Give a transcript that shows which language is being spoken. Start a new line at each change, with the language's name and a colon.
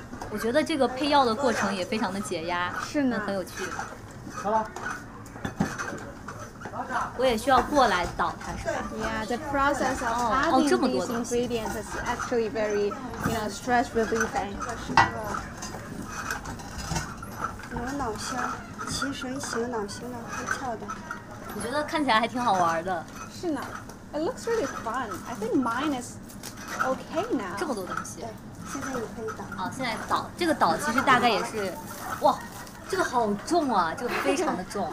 Chinese: 我觉得这个配药的过程也非常的解压，是呢，很有趣。好了，我也需要过来倒它，是吧
English: ？Yeah, the process of adding these ingredients is actually very, you know, stress relieving.
Chinese: 罗脑仙，提神醒脑，醒脑开窍的。我觉得看起来还挺好玩的。是呢
English: ，It looks really fun. I think mine is okay now.
Chinese: 这么多东西。现在你可以倒啊，现在倒，这个倒其实大概也是，哇，这个好重啊，这个非常的重。